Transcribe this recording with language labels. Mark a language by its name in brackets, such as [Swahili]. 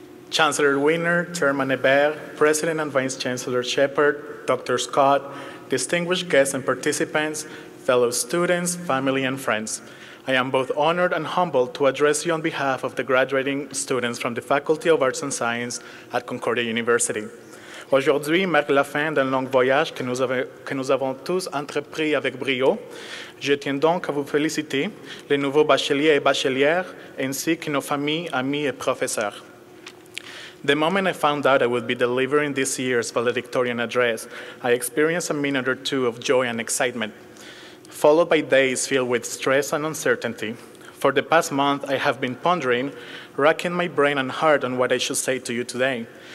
[English] Chancellor Wiener, Chairman Hebert, President and Vice Chancellor Shepherd, Dr. Scott, distinguished guests and participants, fellow students, family, and friends. I am both honored and humbled to address you on behalf of the graduating students from the Faculty of Arts and Science at Concordia University. [French] Aujourd'hui marque la fin d'un long voyage que nous avons tous entrepris avec brio. Je tiens donc à vous féliciter, les nouveaux bacheliers et bachelières, ainsi que nos familles, amis et professeurs. [English] The moment I found out I would be delivering this year's valedictorian address, I experienced a minute or two of joy and excitement, followed by days filled with stress and uncertainty. For the past month, I have been pondering, racking my brain and heart on what I should say to you today.